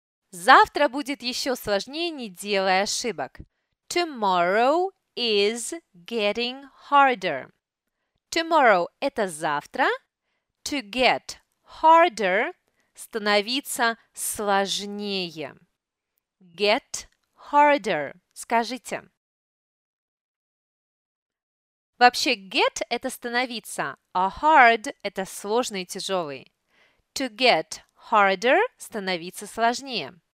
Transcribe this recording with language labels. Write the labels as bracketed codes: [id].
[ru] Завтра будет еще сложнее, не делая ошибок. [en] Tomorrow is getting harder. [ru] Tomorrow – это завтра. [en] To get harder [ru] – становиться сложнее. [en] Get harder [ru] – скажите. Вообще get – это становиться, а hard – это сложный, тяжелый. [en] To get harder [ru] – становиться сложнее.